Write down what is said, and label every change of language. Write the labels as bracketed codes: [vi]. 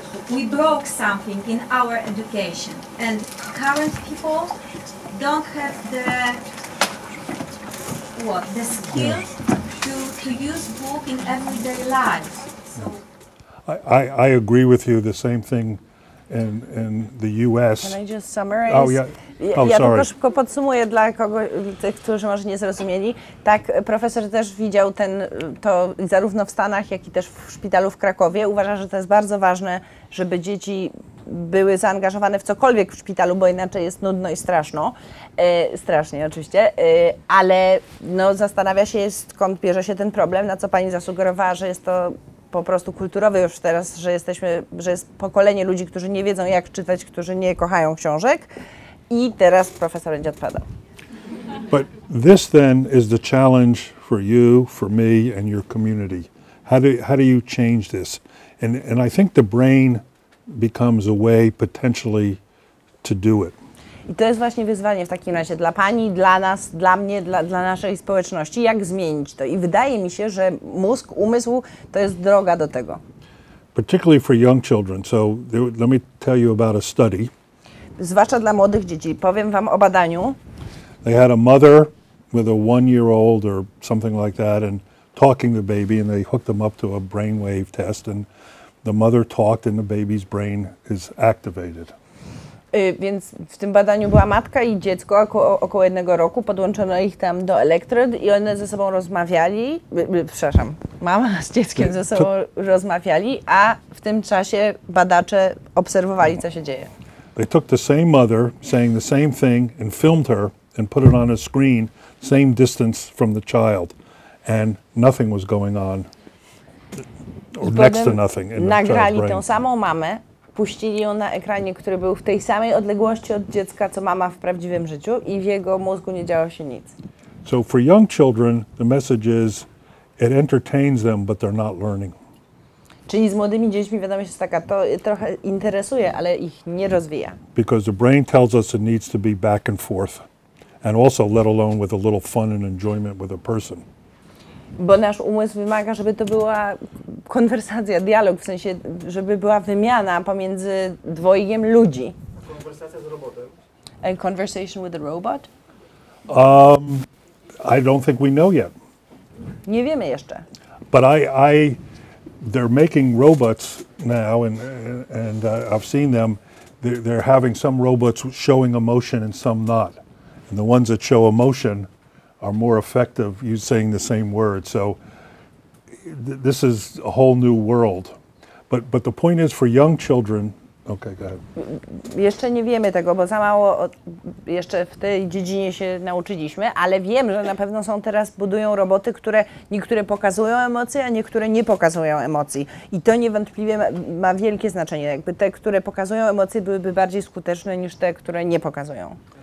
[en] We broke something in our education, and current people don't have the skill to use book in everyday life. I agree with you, the same thing in the U.S. Can I just summarize? Oh, yeah. [pl] Ja tylko szybko podsumuję dla tych, którzy może nie zrozumieli. Tak, profesor też widział to zarówno w Stanach, jak i też w szpitalu w Krakowie. Uważa, że to jest bardzo ważne, żeby dzieci były zaangażowane w cokolwiek w szpitalu, bo inaczej jest nudno i straszno. Strasznie oczywiście, ale no, zastanawia się, skąd bierze się ten problem, na co pani zasugerowała, że jest to po prostu kulturowy już teraz, że jesteśmy, że jest pokolenie ludzi, którzy nie wiedzą jak czytać, którzy nie kochają książek. I teraz profesor będzie odpadał. [en] But this then is the challenge for you, for me and your community. How do you change this? And I think the brain becomes a way potentially to do it. [pl] I to jest właśnie wyzwanie w takim razie dla pani, dla nas, dla mnie, dla naszej społeczności, jak zmienić to. I wydaje mi się, że mózg, umysł to jest droga do tego. [en] Particularly for young children. So let me tell you about a study. [pl] Zwłaszcza dla młodych dzieci. Powiem wam o badaniu. [en] They had a mother with a one-year-old or something like that and talking the baby, and they hooked them up to a brainwave test, and the mother talked and the baby's brain is activated. [pl] Więc w tym badaniu była matka i dziecko około jednego roku, podłączono ich tam do elektrod i one ze sobą rozmawiali, przepraszam, mama z dzieckiem ze sobą rozmawiali, a w tym czasie badacze obserwowali, co się dzieje. [en] They took the same mother saying the same thing and filmed her and put it on a screen, same distance from the child, and nothing was going on, or next to nothing in the child's brain. [pl] Nagrali tą samą mamę, puścili ją na ekranie, który był w tej samej odległości od dziecka, co mama w prawdziwym życiu, i w jego mózgu nie działo się nic. [en] So for young children, the message is, it entertains them, but they're not learning. [pl] Czyli z młodymi dziećmi wiadomość jest taka, to trochę interesuje, ale ich nie rozwija. [en] Because the brain tells us it needs to be back and forth. And also let alone with a little fun and enjoyment with a person. [pl] Bo nasz umysł wymaga, żeby to była konwersacja, dialog, w sensie, żeby była wymiana pomiędzy dwojgiem ludzi. Konwersacja z robotem. [en] A conversation with a robot? I don't think we know yet. [pl] Nie wiemy jeszcze. [en] But they're making robots now, and I've seen them. They're having some robots showing emotion and some not. And the ones that show emotion are more effective, you saying the same word. So this is a whole new world. But the point is for young children, okay, go ahead. [pl] Jeszcze nie wiemy tego, bo za mało jeszcze w tej dziedzinie się nauczyliśmy, ale wiem, że na pewno są teraz, budują roboty, które niektóre pokazują emocje, a niektóre nie pokazują emocji. I to niewątpliwie ma wielkie znaczenie. Jakby te, które pokazują emocje, byłyby bardziej skuteczne niż te, które nie pokazują.